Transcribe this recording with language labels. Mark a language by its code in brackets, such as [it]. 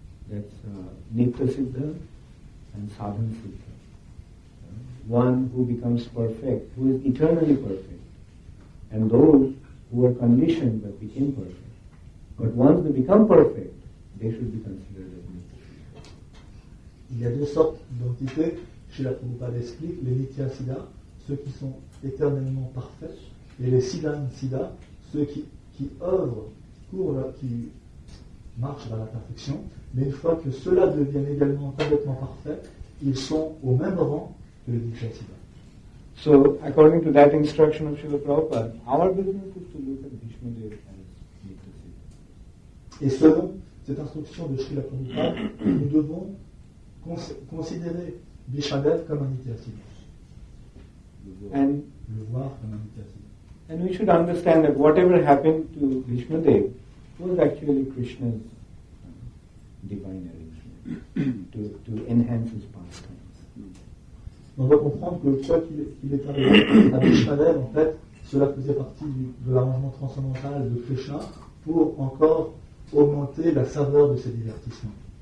[en] That's Nitya Siddha and Sadhan Siddha. One who becomes perfect, who is eternally perfect, and those who are conditioned but became perfect. But once they become perfect, they should be considered as Nitya Siddha. [fr] Il y a deux sortes d'entités, chez la Prabhupada explique, les Nitya Siddha, ceux qui sont éternellement parfaits, et les Sidhan Siddha, ceux qui œuvrent, qui marchent vers la perfection. Mais une fois que cela devient également complètement parfait, ils sont au même rang que les Vishnu. [en] So, according to that instruction of Srila Prabhupada, our business is to look at Vishnu Dev as Nitya Siddha. [fr] Et selon cette instruction de Srila Prabhupada, nous devons considérer Vishnu Dev comme un Nitya Siddha. [en] And [fr] le voir comme un Nitya Siddha. [en] And we should understand that whatever happened to Vishnu Dev was actually Krishna's divine arrangement to enhance his pastimes. [fr] On doit comprendre que quoi qu'il est arrivé à Vishnadev, en fait, cela faisait partie de l'arrangement transcendantal de Krishna pour encore augmenter la saveur de ses divertissements.